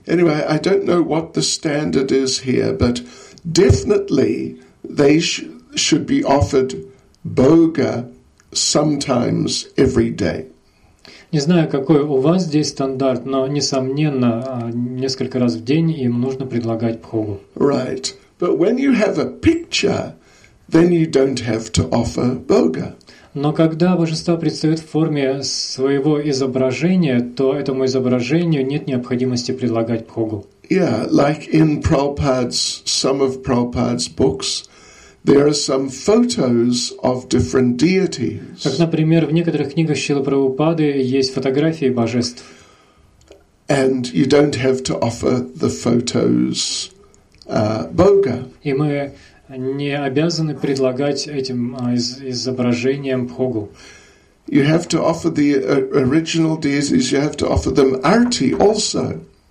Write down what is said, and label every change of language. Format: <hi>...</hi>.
<en>Anyway, I don't know what the standard is here, but definitely they should be offered boga sometimes every day.</en> <ru>Не знаю, какой у вас здесь стандарт, но несомненно, несколько раз в день им нужно предлагать бхогу.</ru> <en>Right. But when you have a picture, then you don't have to offer bhoga.</en> <ru>Но когда божество предстает в форме своего изображения, то этому изображению нет необходимости предлагать бхогу.</ru> <en>Yeah, like in Prabhupada's, some of Prabhupada's books, there are some photos of different deities.</en> <ru>Как, например, в некоторых книгах Шрилы Прабхупады есть фотографии божеств.</ru> <en>And you don't have to offer the photos bhoga.</en> <ru>И мы не обязаны предлагать этим изображениям бхогу.</ru> <en>You have to offer the original deities, you have to offer them arti also.</en>